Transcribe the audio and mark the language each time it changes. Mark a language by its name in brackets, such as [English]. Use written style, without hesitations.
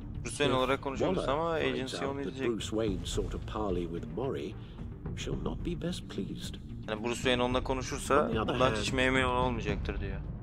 [Turkish] Bruce Wayne olarak konuşuyoruz ama agency onu izleyecek. [English] Bruce Wayne sort of parley with Mori, she'll not be best pleased. [Turkish] Yani Bruce Wayne onunla konuşursa bundan hiç memnun olmayacaktır diyor.